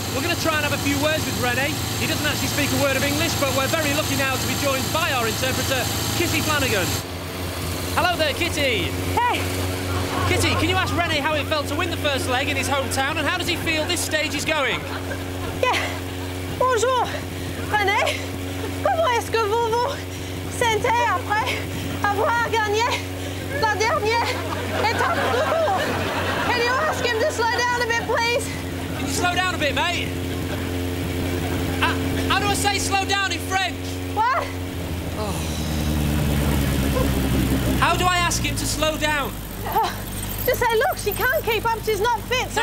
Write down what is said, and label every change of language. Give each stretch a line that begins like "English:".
English: We're going to try and have a few words with René. He doesn't actually speak a word of English, but we're very lucky now to be joined by our interpreter, Kitty Flanagan. Hello there, Kitty. Hey. Kitty, can you ask René how it felt to win the first leg in his hometown and how does he feel this stage is going?
French: Bonjour, René. Comment est-ce que vous vous sentez après avoir gagné la dernière étape du tour?
English: Can you ask him to slow down a bit, please? Can you slow down a bit, mate? How do I say slow down in French? What? Oh. How do I ask him to slow down? Just say, look, she can't keep up, she's not fit, so